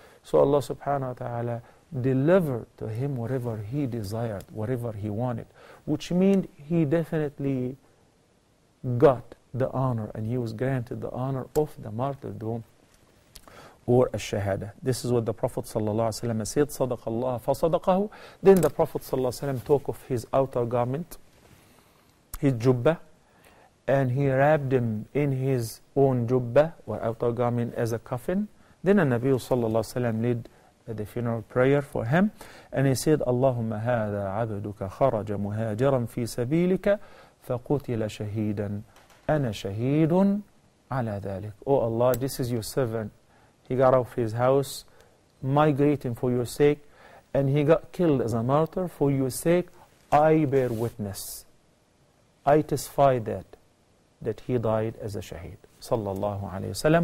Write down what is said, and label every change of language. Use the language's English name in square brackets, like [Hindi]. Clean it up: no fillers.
[English] So Allah subhanahu wa ta'ala delivered to him whatever he desired, whatever he wanted, which means he definitely got the honor, and he was granted the honor of the martyrdom or a shahada. This is what the Prophet ﷺ said, [Arabic] صدق الله فصدقه. [English] Then the Prophet ﷺ took off his outer garment, his jubba, and he wrapped him in his own jubba or outer garment as a coffin. Then the Nabi ﷺ led the funeral prayer for him, and he said, [Arabic] اللهم هذا عبدك خرج مهاجرا في سبيلك فقتل شهيدا. أَنَا شَهِيدٌ عَلَى ذَلِكَ. [English] Oh Allah, this is your servant. He got off his house migrating for your sake, and he got killed as a martyr for your sake. I bear witness. I testify that he died as a shaheed. [Arabic] صلى الله عليه وسلم.